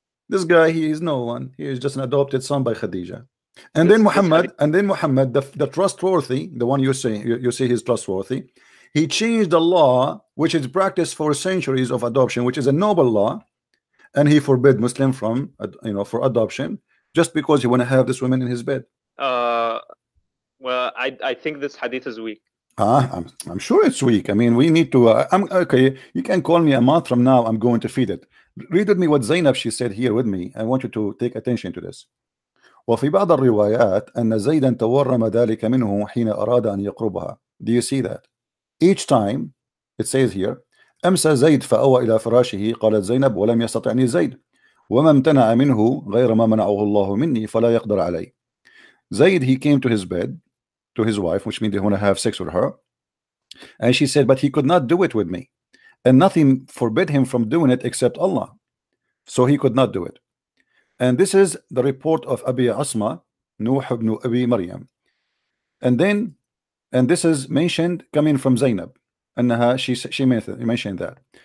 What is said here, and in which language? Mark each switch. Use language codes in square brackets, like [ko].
[en] This guy, he is no one. He is just an adopted son by Khadija. And then Muhammad, the trustworthy, the one you say he's trustworthy, he changed the law, which is practiced for centuries of adoption, which is a noble law, and he forbid Muslim from, you know, for adoption, just because he want to have this woman in his bed. Well, I think this hadith is weak. I'm sure it's weak. I mean, we need to. Okay. You can call me a month from now. I'm going to feed it. Read with me what Zainab she said here with me. I want you to take attention to this. [ar] وفي بعض الروايات أن زيدا تورم ذلك منه حين أراد أن يقربها. [en] Do you see that? Each time, it says here, [ar] أمسى زيد فأوى إلى فراشه. قالت زينب ولم يستطعني زيد. وما امتنع منه غير ما منعه الله مني فلا يقدر علي. [en] زيد, he came to his bed. To his wife, which means they want to have sex with her, and she said, but he could not do it with me, and nothing forbid him from doing it except Allah, so he could not do it. And this is the report of Abi Asma, Nuh ibn Abi Maryam, and this is mentioned coming from Zainab, and she mentioned that.